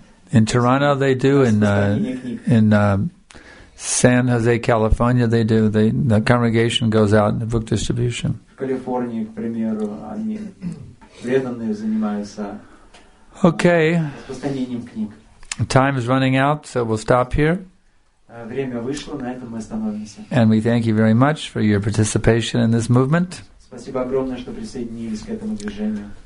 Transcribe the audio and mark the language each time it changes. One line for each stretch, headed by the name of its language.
English: In Toronto they do, in San Jose, California they do. The congregation goes out in the book distribution.
Russian: В Калифорнии, к примеру, они преданные занимаются.
English: Okay.
Russian: Распространением книг.
English: Time is running out, so we'll stop here.
Russian: Время вышло, на этом мы остановимся.
English: And we thank you very much for your participation in this movement.
Russian: Спасибо огромное, что присоединились к этому движению.